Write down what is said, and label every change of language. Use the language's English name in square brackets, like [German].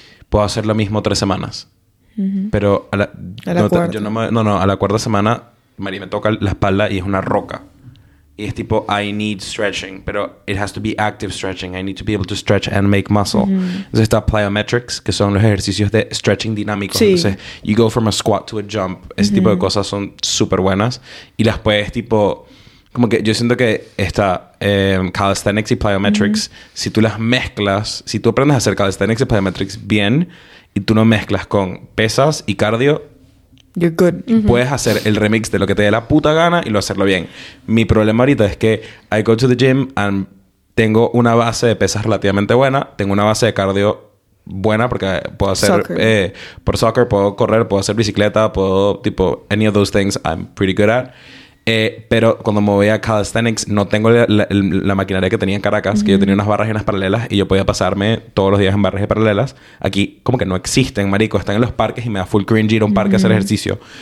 [Spanish] Puedo hacer lo mismo 3 semanas. Pero a la... A la cuarta. A la cuarta semana... Mari, me toca la espalda y es una roca. Y es tipo, [English] I need stretching. [Spanish] Pero [English] it has to be active stretching. I need to be able to stretch and make muscle. Mm-hmm. [Spanish] Entonces está plyometrics, que son los ejercicios de stretching dinámicos. Sí. Entonces, [English] you go from a squat to a jump. [Spanish] Ese mm-hmm. tipo de cosas son súper buenas. Y las puedes, tipo... Como que yo siento que está calisthenics y plyometrics. Mm-hmm. Si tú las mezclas... Si tú aprendes a hacer calisthenics y plyometrics bien... Y tú no mezclas con pesas y cardio... [English] You're good. Mm-hmm. [Spanish] Puedes hacer el remix de lo que te dé la puta gana y lo hacerlo bien. Mi problema ahorita es que [English] I go to the gym [Spanish] and tengo una base de pesas relativamente buena. Tengo una base de cardio buena porque puedo hacer... Soccer. Por soccer puedo correr, puedo hacer bicicleta, puedo... Tipo, [English] any of those things I'm pretty good at. [Spanish] Pero cuando me voy a calisthenics, no tengo la maquinaria que tenía en Caracas, mm-hmm. que yo tenía unas barras y unas paralelas, y yo podía pasarme todos los días en barras y paralelas. Aquí, como que no existen, marico. Están en los parques y me da full cringe ir a un parque mm-hmm. a hacer ejercicio.